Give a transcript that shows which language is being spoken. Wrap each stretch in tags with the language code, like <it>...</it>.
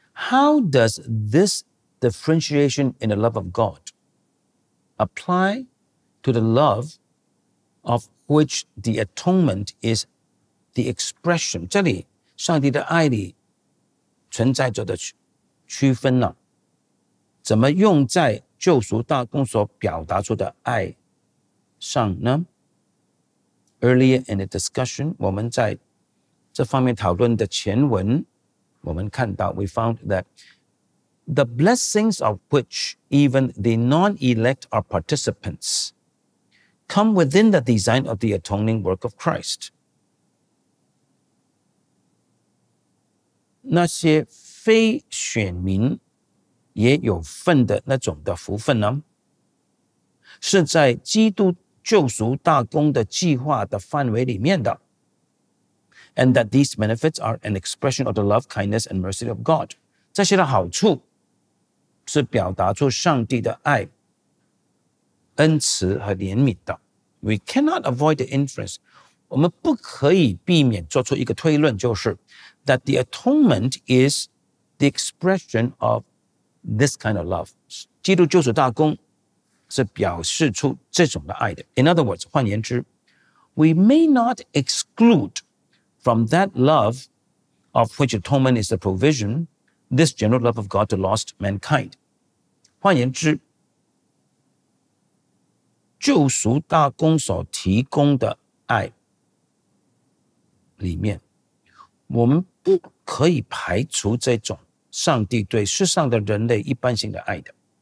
<en>How does this differentiation in the love of God apply to the love of which the atonement is the expression?</en> <zh>这里上帝的爱里存在着的区分呢、啊？怎么用在救赎大公所表达出的爱上呢？</zh> <en>Earlier in the discussion,</en> <zh>我们在这方面讨论的前文，我们看到</zh> <en>we found that the blessings of which even the non-elect are participants come within the design of the atoning work of Christ.</en> <zh>那些非选民也有份的那种的福分呢，是在基督救赎大公的计划的范围里面的。</zh> <en>And that these benefits are an expression of the love, kindness, and mercy of God.</en> <zh>这些的好处是表达出上帝的爱、恩慈和怜悯的。</zh> <en>We cannot avoid the inference.</en> <zh>我们不可以避免做出一个推论，就是</zh> <en>that the atonement is the expression of this kind of love.</en> <zh>基督救赎大公是表示出这种的爱的。</zh> <en>In other words,</en> <zh>换言之</zh> <en>we may not excludeFrom that love of which atonement is the provision, this general love of God to lost mankind.</en> <zh>换言之，救赎大公所提供的爱里面，我们不可以排除这种上帝对世上的人类一般性的爱的。</zh>